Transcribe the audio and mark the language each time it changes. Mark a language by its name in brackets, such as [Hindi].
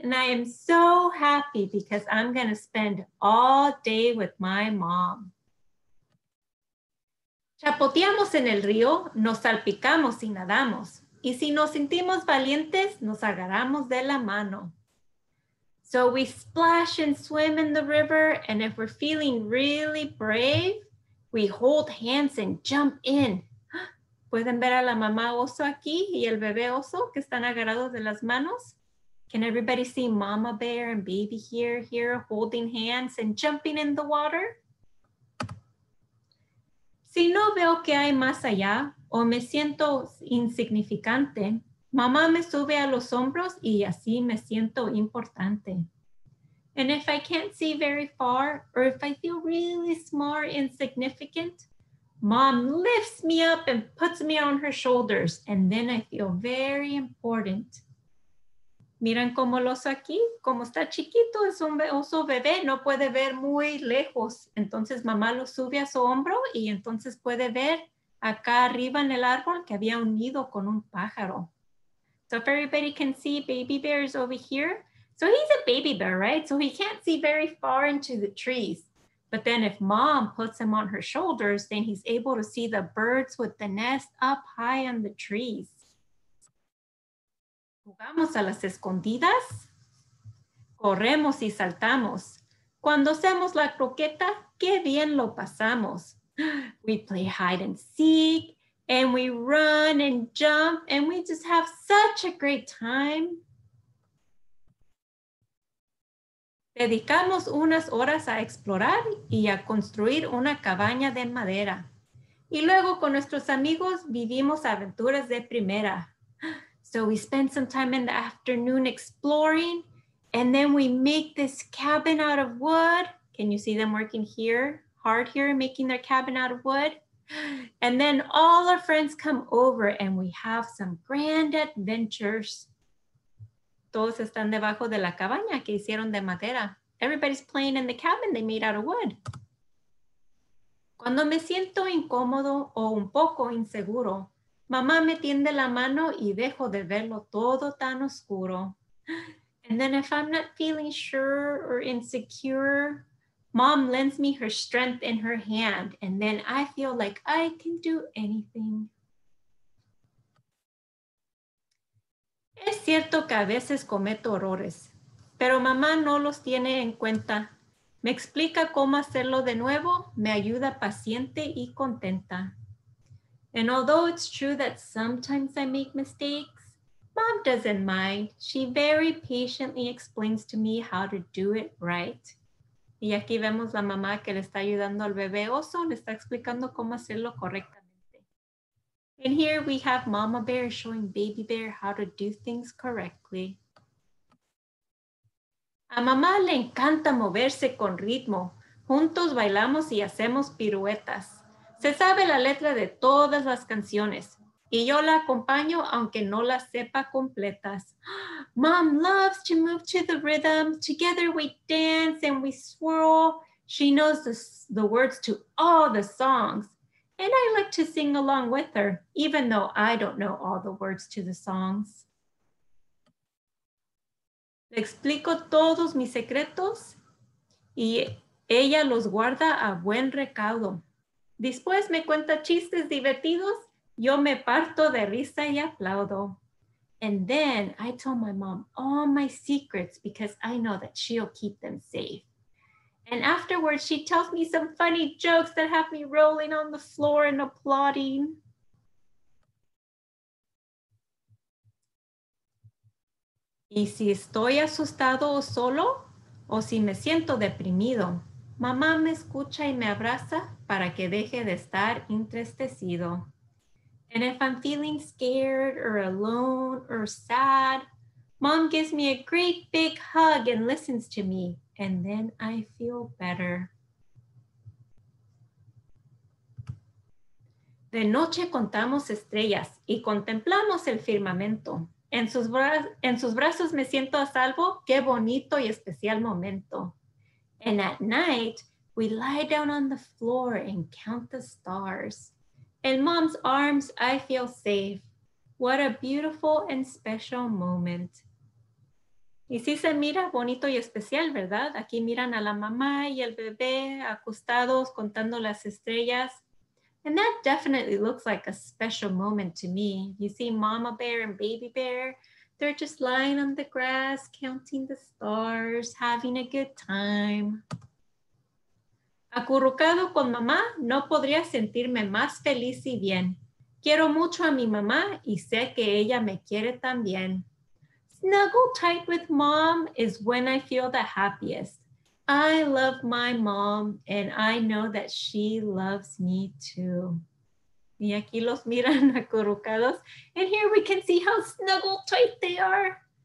[English] And I am so happy because I'm going to spend all day with my mom. [Spanish] Chapoteamos en el río, nos salpicamos y nadamos. Y si nos sentimos valientes, nos agarramos de la mano. [English] So we splash and swim in the river, and if we're feeling really brave, we hold hands and jump in. [Spanish] ¿Pueden ver a la mamá oso aquí y el bebé oso que están agarrados de las manos? [English] Can everybody see mama bear and baby here holding hands and jumping in the water? [Spanish] Si no veo que hay más allá o me siento insignificante, mamá me sube a los hombros y así me siento importante. [English] And if I can't see very far or if I feel really small or insignificant, mom lifts me up and puts me on her shoulders and then I feel very important. [Spanish] Miren cómo el oso aquí, como está chiquito, es un oso bebé, no puede ver muy lejos. Entonces mamá lo sube a su hombro y entonces puede ver acá arriba en el árbol que había un nido con un pájaro. [English] So if everybody can see, baby bear is over here. So he's a baby bear, right? So he can't see very far into the trees. But then if mom puts him on her shoulders, then he's able to see the birds with the nest up high on the trees. [Spanish] Jugamos a las escondidas. Corremos y saltamos. Cuando hacemos la croqueta, qué bien lo pasamos. [English] We play hide and seek, and we run and jump, and we just have such a great time. [Spanish] Dedicamos unas horas a explorar y a construir una cabaña de madera. Y luego con nuestros amigos vivimos aventuras de primera. [English] So we spend some time in the afternoon exploring, and then we make this cabin out of wood. Can you see them working here, hard here, making their cabin out of wood? And then all our friends come over and we have some grand adventures. [Spanish] Todos están debajo de la cabaña que hicieron de madera. [English] Everybody's playing in the cabin they made out of wood. [Spanish] Cuando me siento incómodo o un poco inseguro, mamá me tiende la mano y dejo de verlo todo tan oscuro. [English] And then if I'm not feeling sure or insecure, mom lends me her strength in her hand, and then I feel like I can do anything. [Spanish] Es cierto que a veces cometo errores, pero mamá no los tiene en cuenta. Me explica cómo hacerlo de nuevo, me ayuda paciente y contenta. [English] And although it's true that sometimes I make mistakes, mom doesn't mind. She very patiently explains to me how to do it right. [Spanish] Y aquí vemos la mamá que le está ayudando al bebé oso, le está explicando cómo hacerlo correctamente. [English] And here we have mama bear showing baby bear how to do things correctly. [Spanish] A mamá le encanta moverse con ritmo. Juntos bailamos y hacemos piruetas. Se sabe la letra de todas las canciones y yo la acompaño aunque no la sepa completas. [English] Mom loves to move to the rhythm. Together we dance and we swirl. She knows the words to all the songs. And I like to sing along with her, even though I don't know all the words to the songs. [Spanish] Le explico todos mis secretos y ella los guarda a buen recaudo. Después me cuenta chistes divertidos, yo me parto de risa y aplaudo. [English] And then I tell my mom all my secrets because I know that she'll keep them safe. And afterwards, she tells me some funny jokes that have me rolling on the floor and applauding. [Spanish] Y si estoy asustado o solo, o si me siento deprimido, mamá me escucha y me abraza para que deje de estar entristecido. [English] And if I'm feeling scared or alone or sad, mom gives me a great big hug and listens to me, and then I feel better. [Spanish] De noche contamos estrellas y contemplamos el firmamento. En sus brazos me siento a salvo, qué bonito y especial momento. [English] And at night, we lie down on the floor and count the stars. In mom's arms, I feel safe. What a beautiful and special moment. [Spanish] Y si se mira bonito y especial, ¿verdad? Aquí miran a la mamá y el bebé acostados contando las estrellas. [English] And that definitely looks like a special moment to me. You see Mama Bear and Baby Bear, they're just lying on the grass, counting the stars, having a good time. [Spanish] Acurrucado con mamá, no podría sentirme más feliz y bien. Quiero mucho a mi mamá y sé que ella me quiere también. [English] Snuggle tight with mom is when I feel the happiest. I love my mom and I know that she loves me too. [Spanish] Y aquí los miran acurrucados. [English] And here we can see how snuggle tight they are.